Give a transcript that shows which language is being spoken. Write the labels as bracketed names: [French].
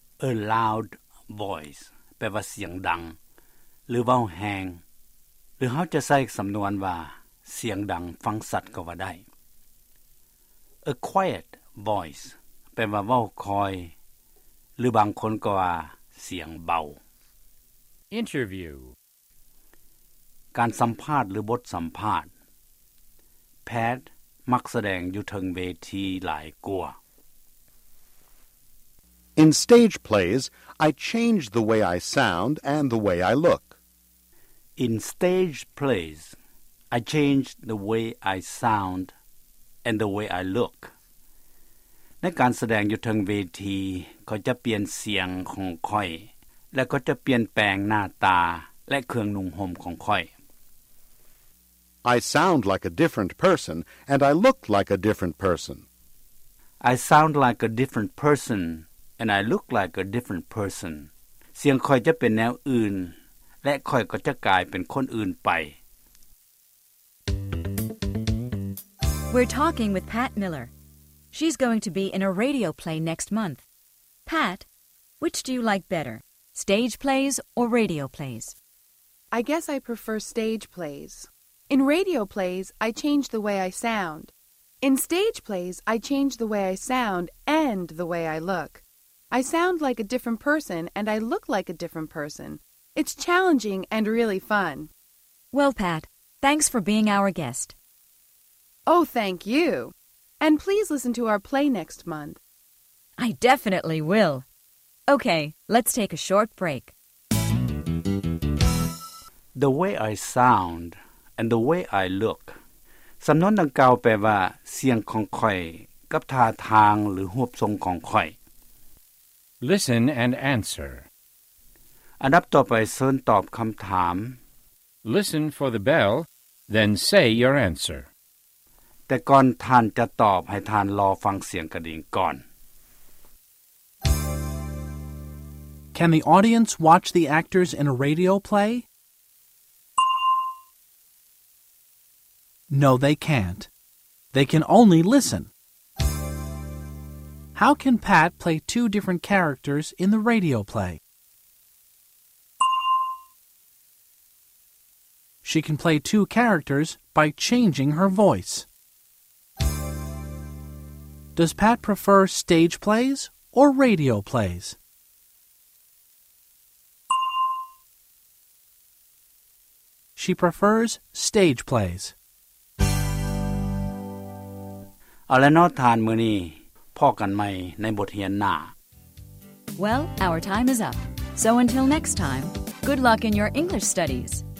[English] A loud voice [Thai] แปลว่าเสียงดังหรือเว้าแฮงหรือเขาจะใช้สำนวนว่าเสียงดังฟังสัตว์ก็ว่าได้ [English] A quiet voice [Thai] แปลว่าเว้าคอยหรือบางคนก็ว่าเสียงเบา [English] Interview [Thai] การสัมภาษณ์หรือบทสัมภาษณ์ Pat มักแสดงอยู่ทางเวทีหลายกว่า [English] In stage plays, I change the way I sound and the way I look. In stage plays, I change the way I sound and the way I look. [Thai] ในการแสดงอยู่ทางเวทีเขาจะเปลี่ยนเสียงของค่อยและก็จะเปลี่ยนแปลงหน้าตาและเครื่องนุ่งห่มของค่อย [English] I sound like a different person and I look like a different person I sound like a different person [Thai] and I look like a different person เสียงค่อยจะเป็นแนวอื่นและค่อยก็จะกลายเป็นคนอื่นไป [English] We're talking with Pat Miller.She's going to be in a radio play next month. Pat, Which do you like better, stage plays or radio plays? I guess I prefer stage plays. In radio plays, I change the way I sound. In stage plays, I change the way I sound and the way I look. I sound like a different person and I look like a different person. It's challenging and really fun. Well, Pat, thanks for being our guest. Oh, thank you. And please listen to our play next month. I definitely will. Okay, let's take a short break. The way I sound and the way I look. [Thai] สำนวนดังกล่าวแปลว่าเสียงของข่อยกับท่าทางหรือรูปทรงของข่อย [English] Listen and answer. [Thai] อันดับต่อไปเชิญตอบคำถาม [English] Listen for the bell, then say your answer. [Thai] แต่ก่อนท่านจะตอบให้ท่านรอฟังเสียงกระดิ่งก่อน [English] Can the audience watch the actors in a radio play? No, they can't. They can only listen. How can Pat play two different characters in the radio play? She can play two characters by changing her voice. Does Pat prefer stage plays or radio plays? She prefers stage plays. [Thai] เอาละเนาะท่านมื้อนี้พบกันใหม่ในบทเรียนหน้า [English] Well, our time is up. So until next time, good luck in your English studies.